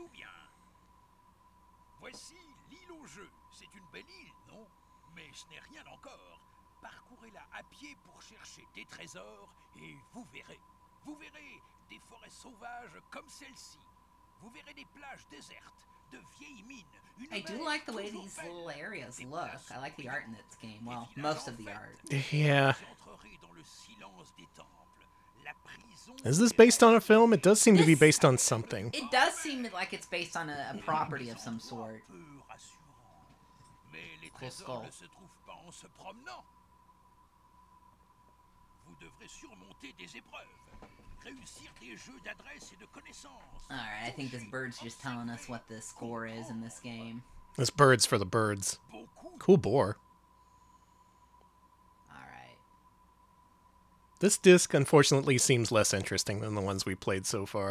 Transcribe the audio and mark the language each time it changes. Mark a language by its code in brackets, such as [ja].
[fr] Tenez-vous bien. Voici. Jeu. C'est une belle île, non? Mais ce n'est rien encore. Parcourez-la à pied pour chercher des trésors et vous verrez. Vous verrez des forêts sauvages comme celle-ci. Vous verrez des plages désertes, de vieilles mines. Une [en] I do like the way these little areas look. I like the art in this game. Well, most of the art. Yeah. Is this based on a film? It does seem to be based on something. It does seem like it's based on a property of some sort. [fr] Ne se trouve pas en se promenant. Vous devrez surmonter des épreuves, réussir des jeux d'adresse et de connaissances. [en] All right, I think this bird's just telling us what the score is in this game. This bird's for the birds. Cool boar. All right. This disc unfortunately seems less interesting than the ones we played so far.